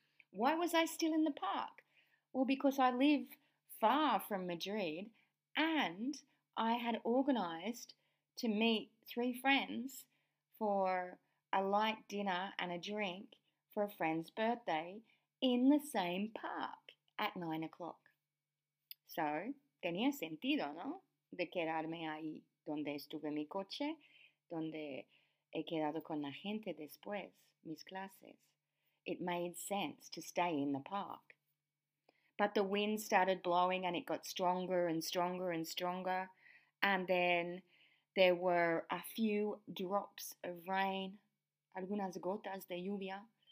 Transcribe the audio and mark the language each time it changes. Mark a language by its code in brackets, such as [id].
[en] Why was I still in the park? Well, because I live far from Madrid and I had organized to meet three friends for a light dinner and a drink for a friend's birthday in the same park at 9 o'clock. [es] So, tenía sentido, ¿no? De quedarme ahí. Donde estuve mi coche, donde he quedado con la gente después, mis clases. [en] It made sense to stay in the park. But the wind started blowing and it got stronger and stronger and stronger. And then there were a few drops of rain, [es] algunas gotas de lluvia.